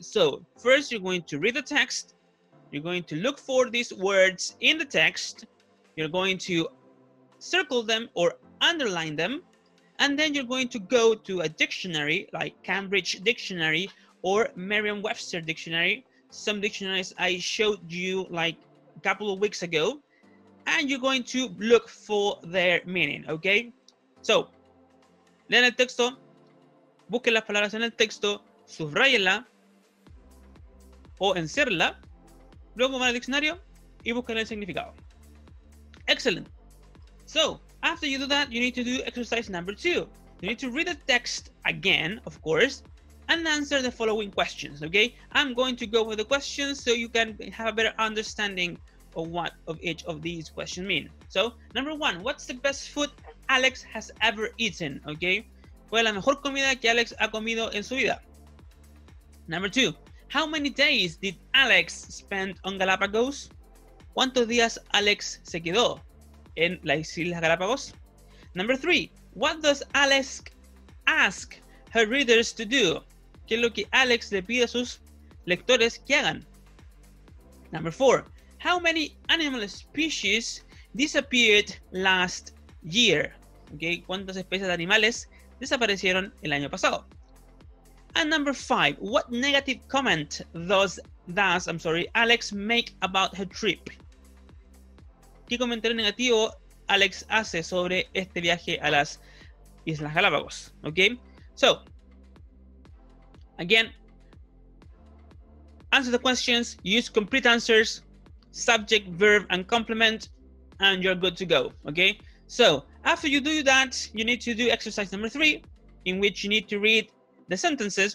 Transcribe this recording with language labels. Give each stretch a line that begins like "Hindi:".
English: So first you're going to read the text, you're going to look for these words in the text, you're going to circle them or underline them, and then you're going to go to a dictionary like Cambridge Dictionary or Merriam-Webster Dictionary, some dictionaries I showed you like a couple of weeks ago, and you're going to look for their meaning, okay?
Spanish: So, lean el texto, busque las palabras en el texto, subrayela o enciérrela, luego va al diccionario y busque el significado.
English: Excellent. So, after you do that, you need to do exercise number 2. You need to read the text again, of course, and answer the following questions, okay? I'm going to go with the questions so you can have a better understanding of what of each of these questions mean. So, number one, what's the best food Alex has ever eaten, okay?
Spanish: ¿Cuál es la mejor comida que Alex ha comido en su vida?
English: Number two, how many days did Alex spend on Galapagos?
Spanish: ¿Cuántos días Alex se quedó en las Islas Galápagos?
English: Number three, what does Alex ask her readers to do?
Spanish: ¿Qué es lo que Alex le pide a sus lectores que hagan?
English: Number four, how many animal species disappeared last year?
Spanish: Okay, ¿cuántas especies de animales desaparecieron el año pasado?
English: And number five, what negative comment does Alex make about her trip?
Spanish: ¿Qué comentario negativo Alex hace sobre este viaje a las Islas Galápagos?
English: Okay, so again, answer the questions, use complete answers, subject, verb, and complement, and you're good to go, okay? So, after you do that, you need to do exercise number 3, in which you need to read the sentences.